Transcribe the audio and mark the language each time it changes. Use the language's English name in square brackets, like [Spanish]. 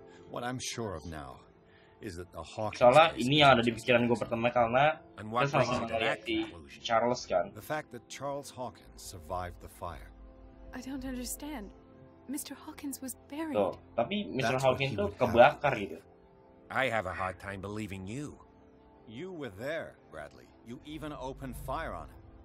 [English] What I'm sure of now is that the Hawkins. [Indonesian] Soalnya ini yang ada di pikiran gue pertama karena kita sama-sama melihat Charles kan. [English] The fact that Charles Hawkins survived the fire. I don't understand. Mr. Hawkins was buried. [Indonesian] Tuh, tapi Mr. Hawkins tuh kebakar gitu. [English] I have a hard time believing you. You were there, Bradley. You even opened fire on him.